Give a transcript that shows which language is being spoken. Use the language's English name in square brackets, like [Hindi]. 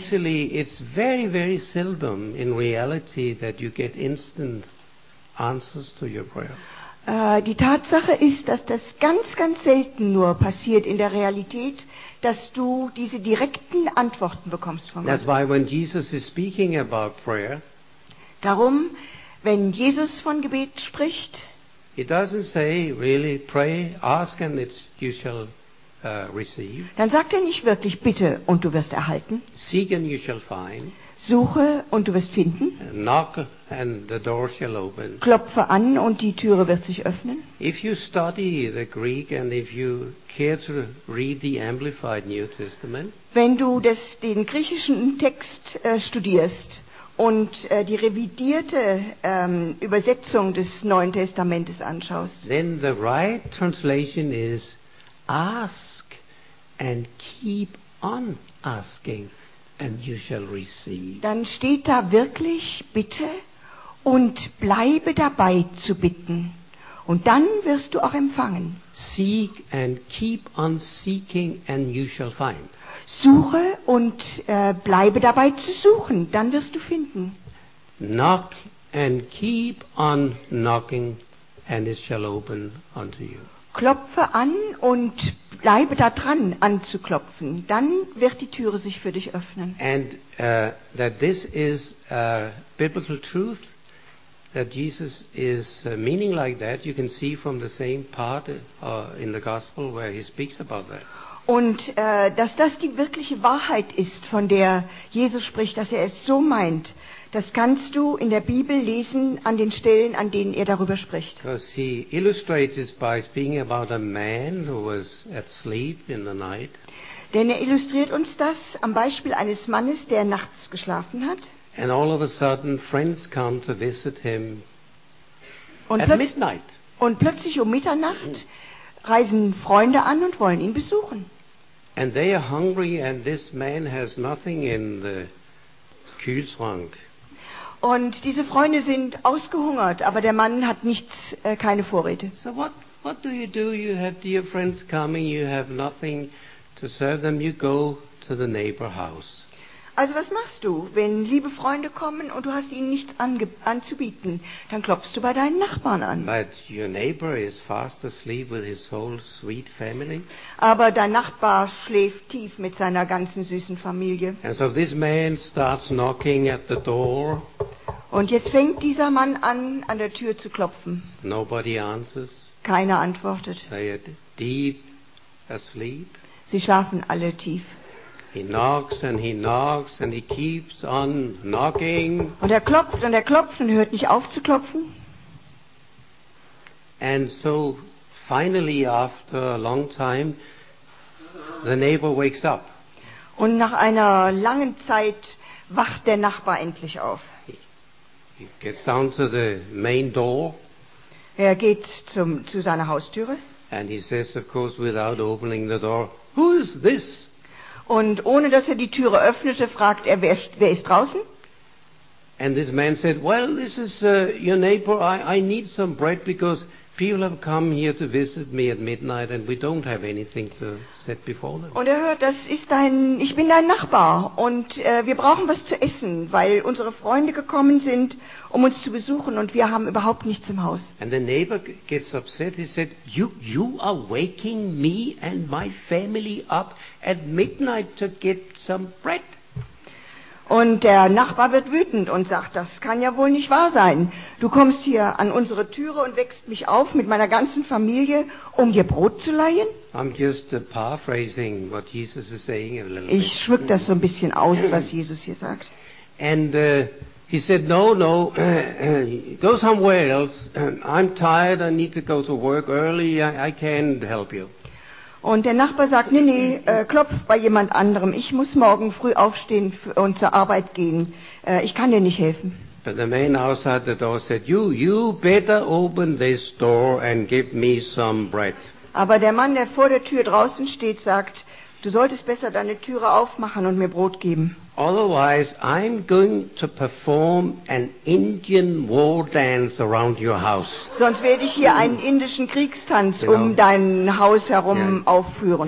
[English] Actually, it's very, very seldom in reality that you get instant answers to your prayer. [German] Die Tatsache ist, dass das ganz, ganz selten nur passiert in der Realität, dass du diese direkten Antworten bekommst von Gott. [English] That's why when Jesus is speaking about prayer, [German] darum, wenn Jesus von Gebet spricht, [English] he doesn't say really pray, ask and it you shall receive. [German] Dann sagt er nicht wirklich bitte und du wirst erhalten. [English] Seek and you shall find. [German] Suche und du wirst finden. [English] Knock and the door shall open. [German] Klopfe an und die Türe wird sich öffnen. [English] If you study the Greek and if you care to read the Amplified New Testament, [German] wenn du den griechischen Text studierst und die revidierte Übersetzung des Neuen Testamentes anschaust, [English] then the right translation is ask and keep on asking. And you shall receive. [German] Dann steht da wirklich, bitte und bleibe dabei zu bitten. Und dann wirst du auch empfangen. [English] Seek and keep on seeking and you shall find. [German] Suche und bleibe dabei zu suchen, dann wirst du finden. [English] Knock and keep on knocking and it shall open unto you. [German] Klopfe an und bleibe da dran anzuklopfen, dann wird die Türe sich für dich öffnen. [English] And that this is a biblical truth that Jesus is meaning like that, you can see from the same part in the gospel where he speaks about that. [German] Und dass das die wirkliche Wahrheit ist, von der Jesus spricht, dass er es so meint, das kannst du in der Bibel lesen an den Stellen, an denen er darüber spricht. [English] Because he illustrates by speaking about a man who was asleep in the night. [German] Denn er illustriert uns das am Beispiel eines Mannes, der nachts geschlafen hat. [English] And all of a sudden friends come to visit him at midnight. [German] Und plötzlich um Mitternacht reisen Freunde an und wollen ihn besuchen. [English] And they are hungry and this man has nothing in the Kühlschrank. [German] Und diese Freunde sind ausgehungert, aber der Mann hat nichts, keine Vorräte. [English] So what do you do? You have dear friends coming, you have nothing to serve them, you go to the neighbor house. [German] Also was machst du, wenn liebe Freunde kommen und du hast ihnen nichts anzubieten? Dann klopfst du bei deinen Nachbarn an. [English] But your neighbor is fast asleep with his whole sweet family. [German] Aber dein Nachbar schläft tief mit seiner ganzen süßen Familie. [English] And so this man starts knocking at the door. [German] Und jetzt fängt dieser Mann an der Tür zu klopfen. [English] Nobody answers. [German] Keiner antwortet. [English] They are deep asleep. [German] Sie schlafen alle tief. [English] He knocks and he knocks and he keeps on knocking. [German] Und er klopft und er klopft und hört nicht auf zu klopfen. [English] And so finally after a long time the neighbor wakes up. [German] Und nach einer langen Zeit wacht der Nachbar endlich auf. [English] He gets down to the main door. [German] Er geht zu seiner Haustüre. [English] And he says, of course, without opening the door, "Who is this?" [German] Und ohne dass er die Türe öffnete, fragt er, wer ist draußen? [English] And this man said, "Well, this is your neighbor. I need some bread because people have come here to visit me at midnight and we don't have anything to set before them." [German] Und er hört, ich bin dein Nachbar und wir brauchen was zu essen, weil unsere Freunde gekommen sind, um uns zu besuchen und wir haben überhaupt nichts im Haus. [English] And the neighbor gets upset. He said, you are waking me and my family up at midnight to get some bread. [German] Und der Nachbar wird wütend und sagt, das kann ja wohl nicht wahr sein. Du kommst hier an unsere Türe und wächst mich auf mit meiner ganzen Familie, um dir Brot zu leihen? [English] I'm just paraphrasing what Jesus is saying a little bit. [German] Ich schmück das so ein bisschen aus, was Jesus hier sagt. [English] And he said, no, go somewhere else. I'm tired, I need to go to work early, I can't help you. [German] Und der Nachbar sagt, nee, klopf bei jemand anderem. Ich muss morgen früh aufstehen und zur Arbeit gehen. Ich kann dir nicht helfen. [English] But the man outside the door said, you better open this door and give me some bread. [German] Aber der Mann, der vor der Tür draußen steht, sagt, du solltest besser deine Türe aufmachen und mir Brot geben. [English] Otherwise I'm going to perform an Indian war dance around your house. [German] Sonst werde ich hier einen indischen Kriegstanz um dein Haus herum aufführen.